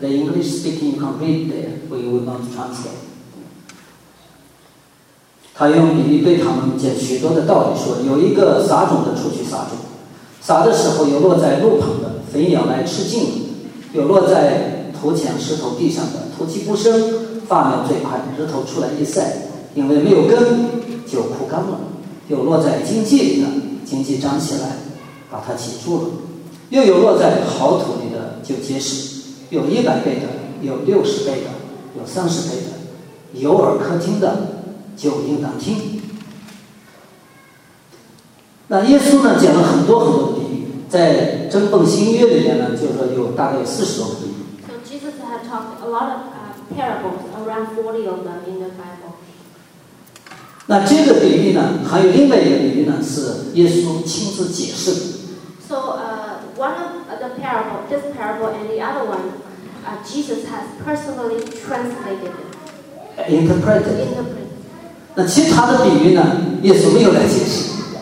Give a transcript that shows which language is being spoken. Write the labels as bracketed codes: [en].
[en] The English speaking complete there, we will not translate. [zh] 他用比喻对他们讲许多的道理，说有一个撒种的出去撒种，撒的时候有落在路旁的，肥鸟来吃尽了；有落在土浅石头地上的，土气不深，发苗最快，日头出来一晒，因为没有根就枯干了，又落在荆棘里的，荆棘长起来把它挤住了，又有落在好土里的就结实，有100倍的，有60倍的，有30倍的，有耳可听的就应当听。那耶稣呢讲了很多很多的比喻，在真奉新约里面呢，就是说有大概40多个比喻。 [en] So Jesus had talked a lot of parables, around 40 of them in the Bible. [zh] 那这个比喻呢，还有另外一个比喻呢，是耶稣亲自解释的。 [en] So one of the parable, this parable and the other one, Jesus has personally translated. Interpreted. Interpreted. [zh] 那其他的比喻呢，耶稣没有来解释。